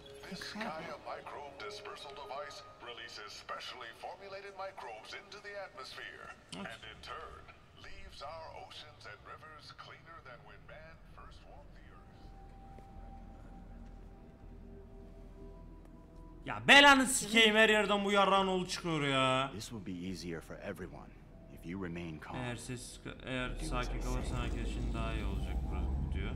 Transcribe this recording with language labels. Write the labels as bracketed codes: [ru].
[en] This Gaia microbe dispersal device releases specially formulated microbes into the atmosphere, and in turn leaves our oceans and rivers cleaner than when man first walked the earth. [tr] Ya belanı sikeyim, her yerden bu yaran oğlu çıkıyor ya. [en] This will be easier for everyone if you remain calm. [tr] Eğer siz eğer sakin kalırsan herkes için daha iyi olacak diyor.